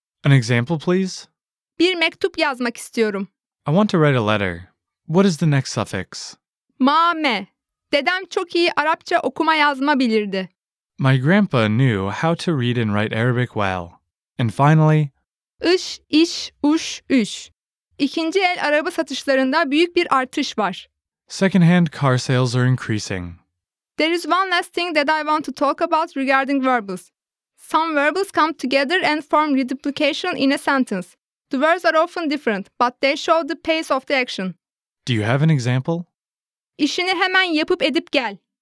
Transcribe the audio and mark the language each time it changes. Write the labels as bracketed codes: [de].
[en] An example, please? [tr] Bir mektup yazmak istiyorum. [en] I want to write a letter. What is the next suffix? [tr] Mame. Dedem çok iyi Arapça okuma yazma bilirdi. [en] My grandpa knew how to read and write Arabic well. And finally, [tr] Iş, iş, uş, üş. İkinci el araba satışlarında büyük bir artış var. [en] Secondhand car sales are increasing. There is one last thing that I want to talk about regarding verbals. Some verbals come together and form reduplication in a sentence. The words are often different, but they show the pace of the action. Do you have an example? [tr] İşini hemen yapıp edip gel.